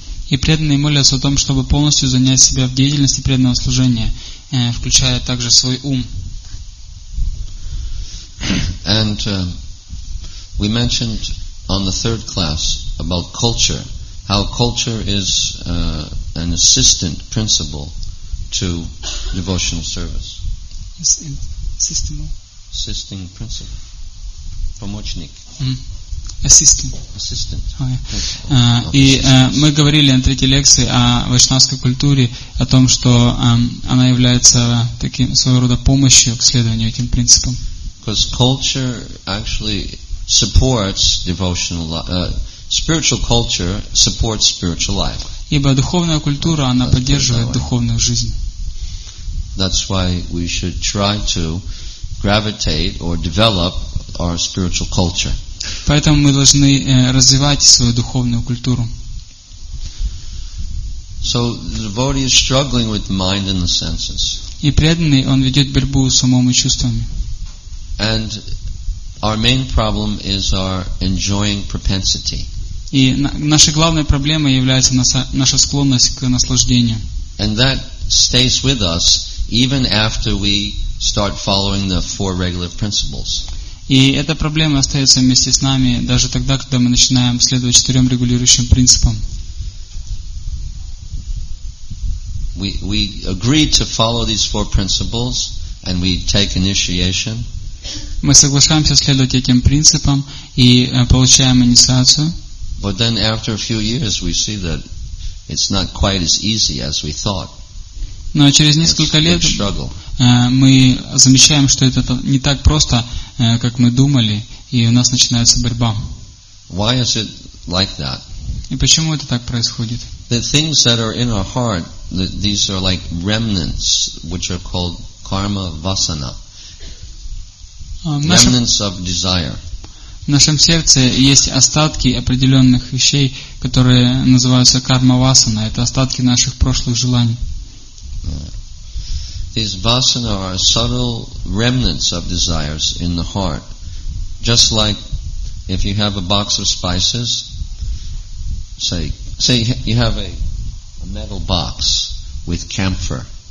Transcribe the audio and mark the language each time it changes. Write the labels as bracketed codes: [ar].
[ru] И преданные молятся о том, чтобы полностью занять себя в деятельности преданного служения, включая также свой ум. [en] And we mentioned on the third class about culture, how culture is an assistant principle to devotional service. Assisting principle. [ru] Помощник. [en] Assistant. [ru] И мы говорили на третьей лекции о вайшнавской культуре, о том, что она является таким своего рода помощью к следованию этим принципам. [en] Because culture actually supports devotional life. Spiritual culture supports spiritual life. [ru] Ибо духовная культура, она поддерживает духовную жизнь. [en] That's why we should try to gravitate or develop our spiritual culture. [ru] Поэтому мы должны развивать свою духовную культуру. [en] So the devotee is struggling with mind and the senses. [ru] И преданный, он ведет борьбу с умом и чувствами. [en] And our main problem is our enjoying propensity. [ru] И нашей главной проблемой является наша склонность к наслаждению. [en] And that stays with us even after we start following the four regular principles. [ru] И эта проблема остается вместе с нами даже тогда, когда мы начинаем следовать четырем регулирующим принципам. [en] We agree to follow these four principles and we take initiation. [ru] Мы соглашаемся следовать этим принципам и получаем инициацию. [en] But then after a few years we see that it's not quite as easy as we thought. [ru] Но через несколько лет мы замечаем, что это не так просто, как мы думали, и у нас начинается борьба. [en] Why is it like that? [ru] И почему это так происходит? [en] The things that are in our heart, these are like remnants, which are called karma vasana. Remnants of desire. [ru] В нашем сердце есть остатки определенных вещей, которые называются карма васана. Это остатки наших прошлых желаний. [en] These vasana are subtle remnants of desires in the heart. Just like if you have a box of spices, say you have a metal box with camphor.